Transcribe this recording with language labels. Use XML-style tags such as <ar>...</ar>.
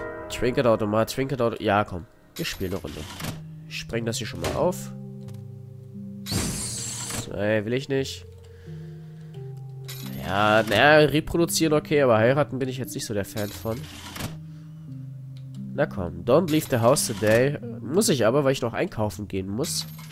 <de>Trinket-Automat, Trinket-Automat. Ja, komm. Wir spielen eine Runde. Ich spreng das hier schon mal auf. Nee, will ich nicht. Ja, naja, reproduzieren okay, aber heiraten bin ich jetzt nicht so der Fan von. Na komm,</de> <en>don't leave the house today.</en> <de>Muss ich aber, weil ich noch einkaufen gehen muss.</de>